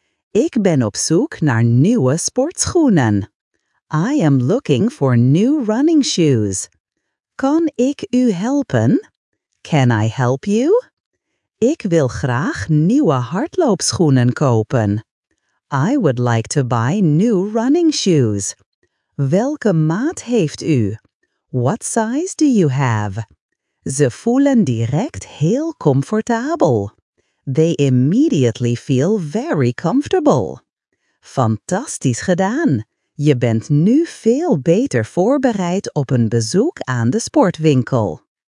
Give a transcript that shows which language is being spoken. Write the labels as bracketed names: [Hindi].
[Dutch] Ik ben op zoek naar nieuwe sportschoenen. [English] I am looking for new running shoes. [Dutch] Kan ik u helpen? [English] Can I help you? [Dutch] Ik wil graag nieuwe hardloopschoenen kopen. [English] I would like to buy new running shoes. [Dutch] Welke maat heeft u? [English] What size do you have? [Dutch] Ze voelen direct heel comfortabel. [English] They immediately feel very comfortable. [Dutch] Fantastisch gedaan! Je bent nu veel beter voorbereid op een bezoek aan de sportwinkel.